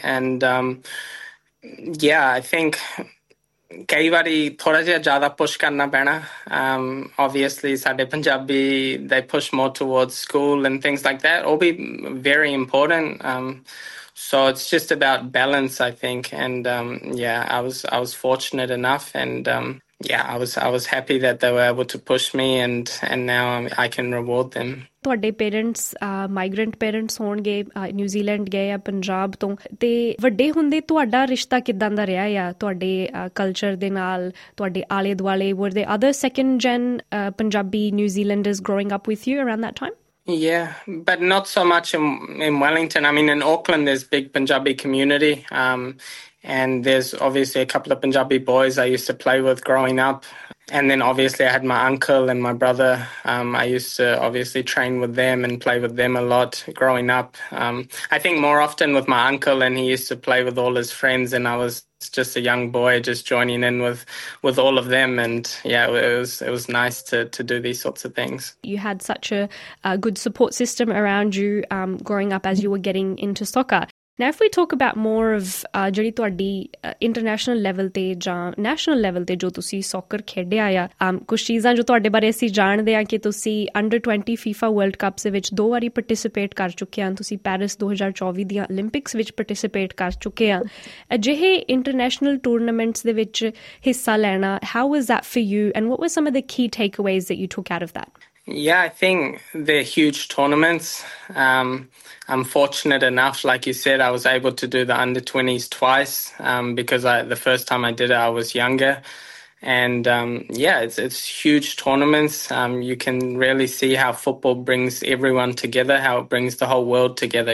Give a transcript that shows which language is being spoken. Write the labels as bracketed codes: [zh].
[en] And yeah, I think [pa] kai vari thoda jyada push karna pena, [en] obviously sade Punjabi they push more towards school and things like that, all be very important. So it's just about balance, I think. And yeah, I was fortunate enough, and yeah, I was happy that they were able to push me, and now I can reward them. [pa] ਤੁਹਾਡੇ parents migrant parents ਹੋਣਗੇ, New Zealand ਗਏ ਆ ਪੰਜਾਬ ਤੋਂ, ਤੇ ਵੱਡੇ ਹੁੰਦੇ ਤੁਹਾਡਾ ਰਿਸ਼ਤਾ ਕਿੱਦਾਂ ਦਾ ਰਿਹਾ ਆ ਤੁਹਾਡੇ ਕਲਚਰ ਦੇ ਨਾਲ, ਤੁਹਾਡੇ ਆਲੇ ਦੁਆਲੇ? [en] Were there other second gen Punjabi New Zealanders growing up with you around that time? Yeah, but not so much in Wellington. I mean, in Auckland, there's big Punjabi community. And there's obviously a couple of Punjabi boys I used to play with growing up. And then obviously I had my uncle and my brother. I used to obviously train with them and play with them a lot growing up. I think more often with my uncle, and he used to play with all his friends, and I was just a young boy just joining in with all of them. And yeah, it was nice to do these sorts of things. You had such a good support system around you growing up as you were getting into soccer. Now, if we talk about more of [pa] ਜਿਹੜੀ ਤੁਹਾਡੀ international level ਤੇ ਜਾਂ national level ਤੇ ਜੋ ਤੁਸੀਂ soccer ਖੇਡਿਆ ਆ, ਕੁਛ ਚੀਜ਼ਾਂ ਜੋ ਤੁਹਾਡੇ ਬਾਰੇ ਅਸੀਂ ਜਾਣਦੇ ਹਾਂ ਕਿ ਤੁਸੀਂ ਅੰਡਰ 20 ਫੀਫਾ ਵਰਲਡ ਕੱਪ ਦੇ ਵਿੱਚ ਦੋ ਵਾਰੀ ਪਾਰਟੀਸਪੇਟ ਕਰ ਚੁੱਕੇ ਹਾਂ, ਤੁਸੀਂ ਪੈਰਿਸ 2024 ਦੀਆਂ ਓਲੰਪਿਕਸ ਵਿੱਚ ਪਾਰਟੀਸਪੇਟ ਕਰ ਚੁੱਕੇ ਹਾਂ, ਅਜਿਹੇ ਇੰਟਰਨੈਸ਼ਨਲ ਟੂਰਨਾਮੈਂਟਸ ਦੇ ਵਿੱਚ ਹਿੱਸਾ ਲੈਣਾ, [en] How is that for you and what was some of the key takeaways that you took out of that? Yeah, I think they're huge tournaments. I'm fortunate enough, like you said, I was able to do the under 20s twice because the first time I did it, I was younger. And yeah, it's huge tournaments. You can really see how football brings everyone together, how it brings the whole world together.